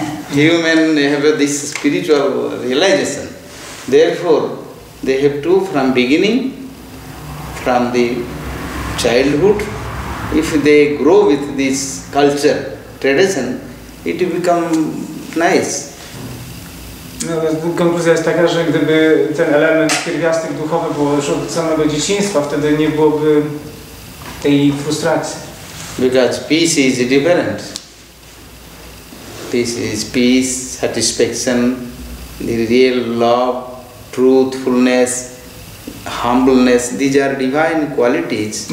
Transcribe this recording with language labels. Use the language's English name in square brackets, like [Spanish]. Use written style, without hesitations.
[English] human have this spiritual realization. Therefore, they have to from beginning, from the childhood, if they grow with this culture, tradition, it will become nice. [Polish] No, konkluzja jest taka, że gdyby ten element pierwiastek duchowy był już od samego dzieciństwa, wtedy nie byłoby tej frustracji. [English] Because peace is different. Peace is peace, satisfaction, the real love, truthfulness, humbleness, these are divine qualities.